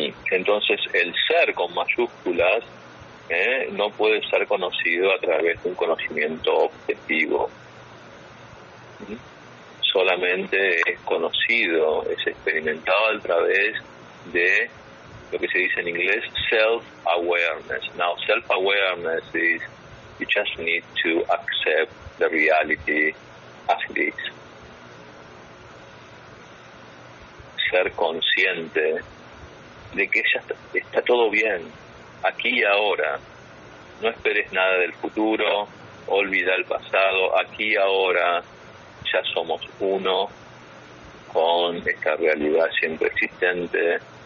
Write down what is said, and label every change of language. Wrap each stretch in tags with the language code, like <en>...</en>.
<es>Entonces el ser con mayúsculas no puede ser conocido a través de un conocimiento objetivo. Solamente es conocido, es experimentado a través de lo que se dice en inglés self-awareness.</es> <en>Now, self-awareness is you just need to accept the reality as it is.</en> <es>Ser consciente de que ya está todo bien, aquí y ahora. No esperes nada del futuro, olvida el pasado, aquí y ahora ya somos uno con esta realidad siempre existente.</es>